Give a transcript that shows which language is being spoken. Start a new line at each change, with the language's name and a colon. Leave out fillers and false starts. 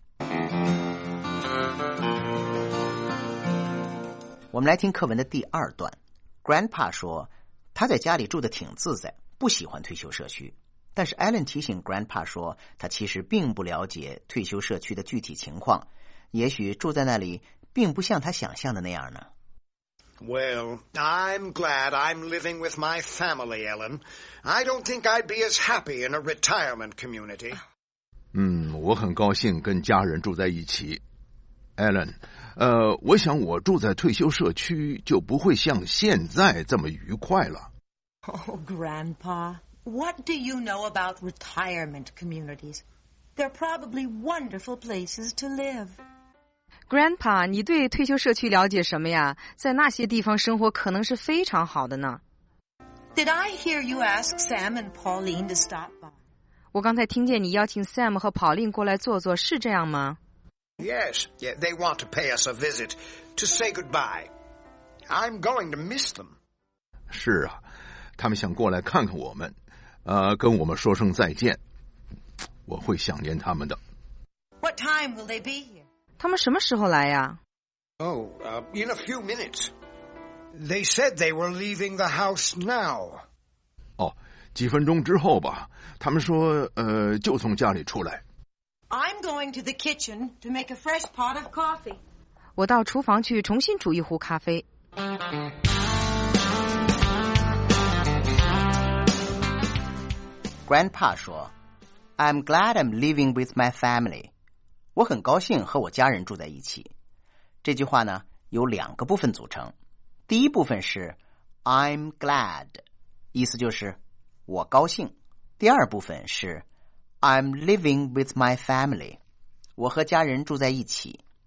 Chinese: 我们来听课文的第二段。 Grandpa 说他在家里住得挺自在，不喜欢退休社区，但是 Alan 提醒 Grandpa 说他其实并不了解退休社区的具体情况，也许住在那里并不像他想象的那样呢。
English: Well, I'm glad I'm living with my family, Alan. I don't think I'd be as happy in a retirement community.
Chinese: 我很高兴跟家人住在一起。Alan, 我想我住在退休社区就不会像现在这么愉快了。
English: Oh, Grandpa, what do you know about retirement communities? They're probably wonderful places to live.
Chinese: Grandpa, 你对退休社区了解什么呀？在那些地方生活可能是非常好的呢。
English: Did I hear you ask Sam and Pauline to stop by?
Chinese: 我刚才听见你邀请 Sam 和 Pauline 过来坐坐，是这样吗？
English: Yes, yeah, they want to pay us a visit to say goodbye. I'm going to miss them.
Chinese: 是啊，他们想过来看看我们，跟我们说声再见。我会想念他们的。
English: What time will they be here?
Chinese: 他们什么时候来呀？
English: In a few minutes. They said they were leaving the house now.
Chinese: 哦，几分钟之后吧。他们说，就从家里出来。
English: I'm going to the kitchen to make a fresh pot of coffee.
Chinese: 我到厨房去重新煮一壶咖啡。
English: Grandpa 说 ，I'm glad I'm living with my family.
Chinese: 我很高兴和我家人住在一起。这句话呢，有两个部分组成。第一部分是
English: I'm glad，
Chinese: 意思就是我高兴。第二部分是
English: I'm living with my family，
Chinese: 我和家人住在一起。